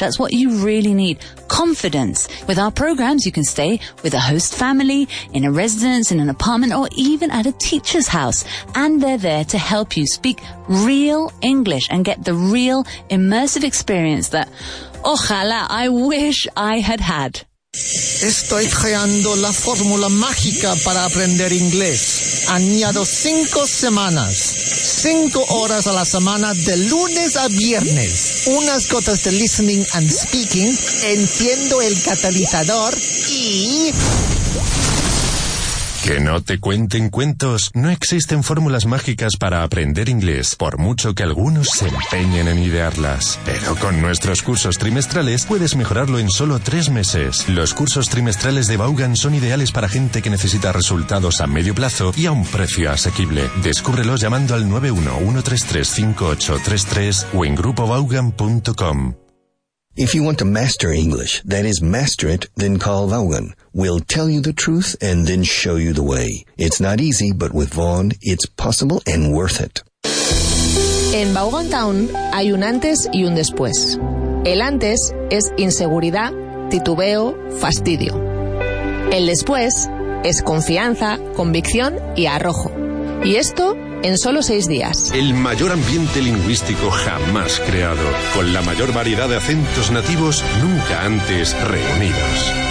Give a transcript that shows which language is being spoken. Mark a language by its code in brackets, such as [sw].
[en] That's what you really need. Confidence. With our programs, you can stay with a host family, in a residence, in an apartment, or even at a teacher's house. And they're there to help you speak real English and get the real immersive experience that, ojalá, I wish I had had. [es] Estoy creando la fórmula mágica para aprender inglés. Añado 5 semanas, 5 horas a la semana de lunes a viernes. Unas gotas de [en] listening and speaking. [es] Enciendo el catalizador y... Que no te cuenten cuentos. No existen fórmulas mágicas para aprender inglés, por mucho que algunos se empeñen en idearlas. Pero con nuestros cursos trimestrales puedes mejorarlo en solo 3 meses. Los cursos trimestrales de Vaughan son ideales para gente que necesita resultados a medio plazo y a un precio asequible. Descúbrelos llamando al 911-335-833 o en grupovaughan.com. [en] If you want to master English, that is, master it, then call Vaughan. We'll tell you the truth and then show you the way. It's not easy, but with Vaughan, it's possible and worth it. [es] En Vaughan Town hay un antes y un después. El antes es inseguridad, titubeo, fastidio. El después es confianza, convicción y arrojo. Y esto en solo 6 días. El mayor ambiente lingüístico jamás creado, con la mayor variedad de acentos nativos nunca antes reunidos.